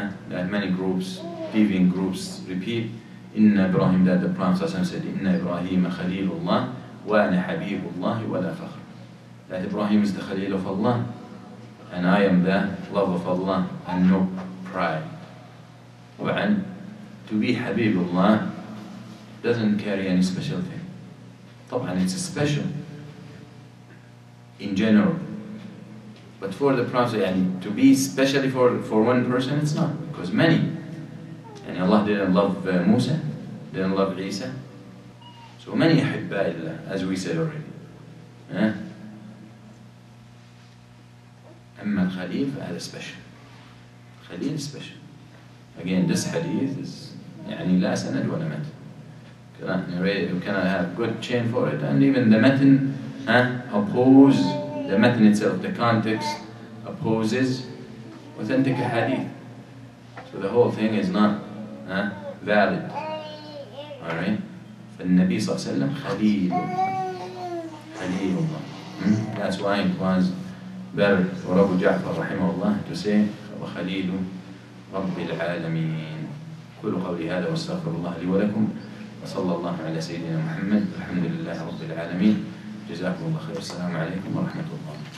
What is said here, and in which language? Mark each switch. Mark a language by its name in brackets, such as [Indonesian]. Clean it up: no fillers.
[English] That many groups, thieving groups repeat, [Arabic] إن إبراهيم, [English] that the Prophet [Arabic] صلى الله عليه وسلم [English] said, [Arabic] إن إبراهيم خليل الله وأنا حبيب الله ولا فخر. [English] That Ibrahim is the خليل of Allah, and I am the love of Allah and no pride. [Arabic] طبعا [English] to be [Arabic] حبيب الله [English] doesn't carry any special thing. [Arabic] طبعا [English] it's special in general. But for the Prophet, [Arabic] يعني, [English] to be specially for one person, it's not, because many. And Allah didn't love Musa, didn't love Isa. So many [Arabic] أحباء الله, [English] as we said already. [Arabic] أما الخليل فهذا [English] special. [Arabic] خليل [English] special. Again, this hadith is, [Arabic] يعني لا سند ولا متن. [English] Cannot have good chain for it. And even the متن, oppose the متن itself, the context. Opposes authentic hadith. So the whole thing is not valid. Alright? [Arabic] فالنبي صلى الله عليه وسلم خليل. خليل الله. [English] That's why it was better for Abu Ja'far [Arabic] رحمه الله [English] to say, [Arabic] وخليل رب العالمين. كل قولي هذا واستغفر الله لي ولكم وصلى الله على سيدنا محمد الحمد لله رب العالمين. جزاكم الله خير. السلام عليكم ورحمة الله.